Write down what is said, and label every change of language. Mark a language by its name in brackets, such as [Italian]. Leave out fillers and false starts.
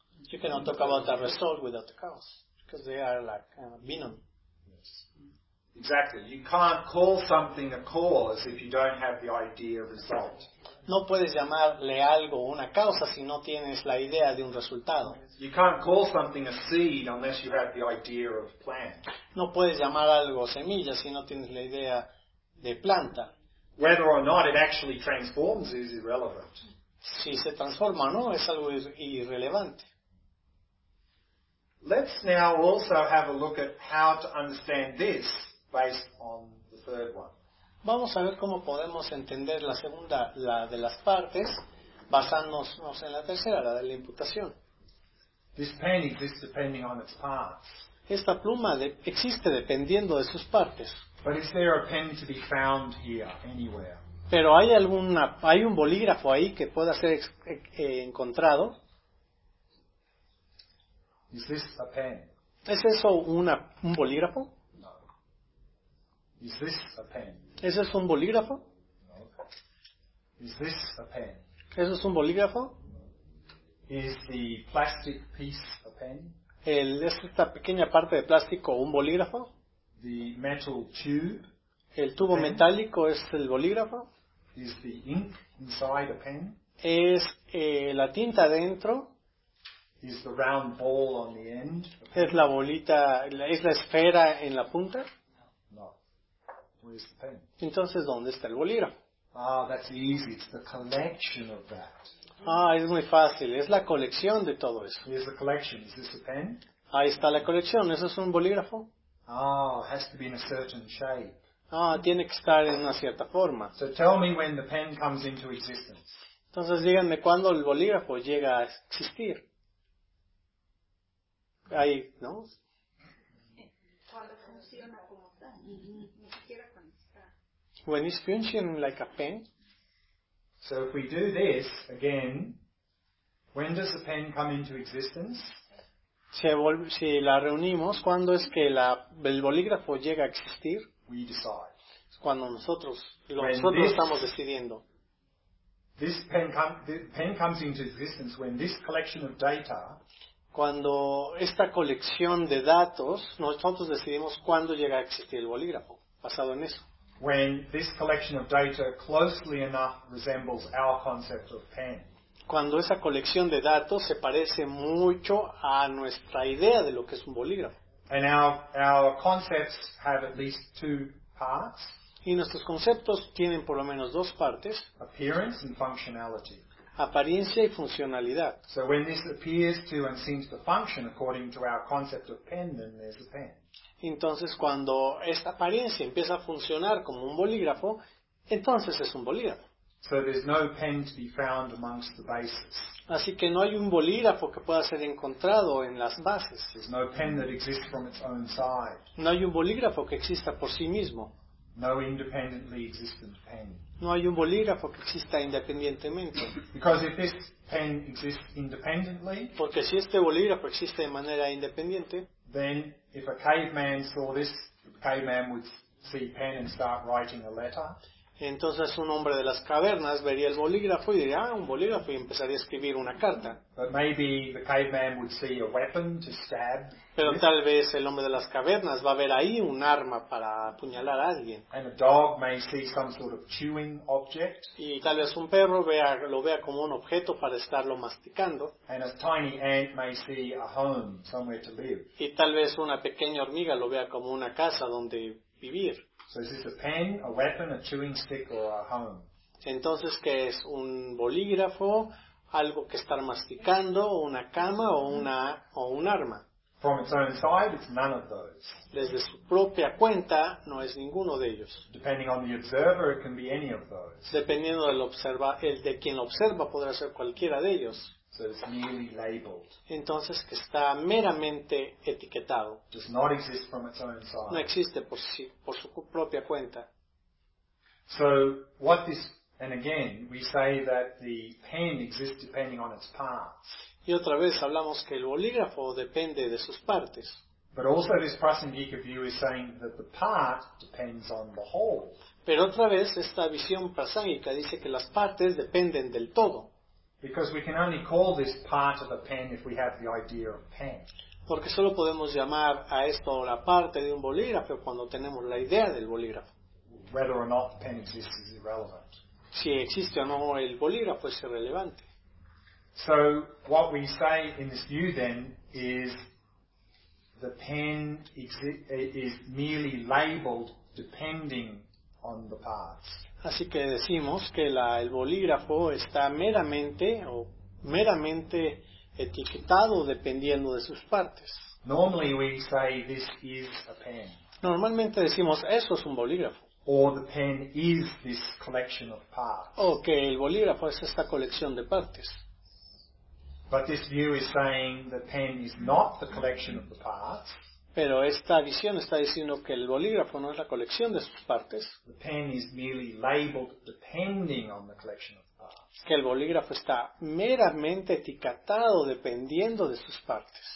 [English] You cannot talk about the result without the cause, because they are like binomi. Yes. Exactly. You can't call something a cause if you don't have the idea of result. [Spanish] No puedes llamarle algo una causa si no tienes la idea de un resultado. [English] You can't call something a seed unless you have the idea of plant. [Spanish] No puedes llamar algo semilla si no tienes la idea de planta. [English] Whether or not it actually transforms is irrelevant. [Spanish] Si se transforma o no, es algo irrelevante. [English] Let's now also have a look at how to understand this based on the third one. [Spanish] Vamos a ver cómo podemos entender la segunda, la de las partes, basándonos en la tercera, la de la imputación. [English] This pen exists depending on its parts. [Spanish] Esta pluma existe dependiendo de sus partes. [English] But is there a pen to be found here anywhere? [Spanish] Pero hay un bolígrafo ahí que pueda ser encontrado. [English] Is this a pen? [Spanish] ¿Es eso un bolígrafo? [English] No. Is this a pen? [Spanish] ¿Es eso un bolígrafo? [English] No. Is this a pen? [Spanish] ¿Eso es un bolígrafo? [English] Is the plastic piece a pen? [Spanish] ¿Es esta pequeña parte de plástico un bolígrafo? [English] The metal tube. [Spanish] ¿El tubo metálico es el bolígrafo? [English] Is the ink inside a pen? [Spanish] ¿Es la tinta dentro? [English] Is the round ball on the end? [Spanish] ¿Es la bolita, es la esfera en la punta? [English] No. Where's the pen? [Spanish] Entonces, ¿dónde está el bolígrafo? [English] Ah, that's easy. It's the collection of that. [Spanish] Ah, es muy fácil. Es la colección de todo eso. [English] Here's the collection. Is this a pen? [Spanish] Ahí está la colección. ¿Eso es un bolígrafo? [English] Ah, it has to be in a certain shape. [Spanish] Ah, tiene que estar en una cierta forma. [English] So tell me when the pen comes into existence. [Spanish] Entonces díganme cuándo el bolígrafo llega a existir. Ahí, ¿no? Cuando funciona como tal. [English] When it's functioning like a pen. So if we do this again, when does the pen come into existence? [Spanish] Si la reunimos, ¿cuándo es que el bolígrafo llega a existir? [English] We decide. [Spanish] Cuando nosotros estamos decidiendo. [English] This pen, pen comes into existence when this collection of data. [Spanish] Cuando esta colección de datos, nosotros decidimos cuándo llega a existir el bolígrafo, basado en eso. [English] When this collection of data closely enough resembles our concept of pen. [Spanish] Cuando esa colección de datos se parece mucho a nuestra idea de lo que es un bolígrafo. [English] And our concepts have at least two parts. [Spanish] Y nuestros conceptos tienen por lo menos dos partes. [English] Appearance and functionality. [Spanish] Apariencia y funcionalidad. [English] So when this appears to and seems to function according to our concept of pen, then there's a pen. [Spanish] Entonces cuando esta apariencia empieza a funcionar como un bolígrafo, entonces es un bolígrafo. [English] So there's no pen to be found amongst the bases. [Spanish] Así que no hay un bolígrafo que pueda ser encontrado en las bases. [English] There's no pen that exists from its own side. [Spanish] No hay un bolígrafo que exista por sí mismo. [English] No independently existent pen. [Spanish] No hay un bolígrafo que exista independientemente. [English] Because if this pen exists independently, [Spanish] porque si este bolígrafo existe de manera independiente, [English] then if a caveman saw this, the caveman would see pen and start writing a letter. [Spanish] Entonces un hombre de las cavernas vería el bolígrafo y diría, ah, un bolígrafo, y empezaría a escribir una carta. [English] But maybe the caveman would see a weapon to stab. [Spanish] Pero tal vez el hombre de las cavernas va a ver ahí un arma para apuñalar a alguien. [English] And a dog may see some sort of chewing object. [Spanish] Y tal vez un perro lo vea como un objeto para estarlo masticando. [English] And a tiny ant may see a home, somewhere to live. [Spanish] Y tal vez una pequeña hormiga lo vea como una casa donde vivir. [English] So is this a pen, a weapon, a chewing stick, or a home? [Spanish] Entonces, ¿qué es? ¿Un bolígrafo, algo que estar masticando, o una cama, o un arma? [English] From its own side, it's none of those. [Spanish] Desde su propia cuenta, no es ninguno de ellos. [English] Depending on the observer, it can be any of those. [Spanish] Dependiendo del de quien lo observa, podrá ser cualquiera de ellos. [English] So it's merely labeled. [Spanish] Entonces, que está meramente etiquetado. [English] Does not exist from its own side. [Spanish] No existe por sí, por su propia cuenta. [English] So, what this, and again, we say that the pen exists depending on its parts. [Spanish] Y otra vez hablamos que el bolígrafo depende de sus partes. [English] But also this Prasangika view is saying that the part depends on the whole. [Spanish] Pero otra vez, esta visión prasangika dice que las partes dependen del todo. [English] Because we can only call this part of a pen if we have the idea of pen. [Spanish] Porque solo podemos llamar a esto la parte de un bolígrafo cuando tenemos la idea del bolígrafo. [English] Whether or not the pen exists is irrelevant. [Spanish] Si existe o no el bolígrafo es irrelevante. [English] So what we say in this view then is the pen is merely labeled depending on the parts. [Spanish] Así que decimos que el bolígrafo está meramente etiquetado dependiendo de sus partes. [English] Normally we say this is a pen. [Spanish] Normalmente decimos eso es un bolígrafo. [English] Or the pen is this collection of parts. [Spanish] O que el bolígrafo es esta colección de partes. [English] But this view is saying the pen is not the collection of the parts. [Spanish] Pero esta visión está diciendo que el bolígrafo no es la colección de sus partes. [English] The pen is merely labeled depending on the collection of parts. [Spanish] Que el bolígrafo está meramente etiquetado dependiendo de sus partes.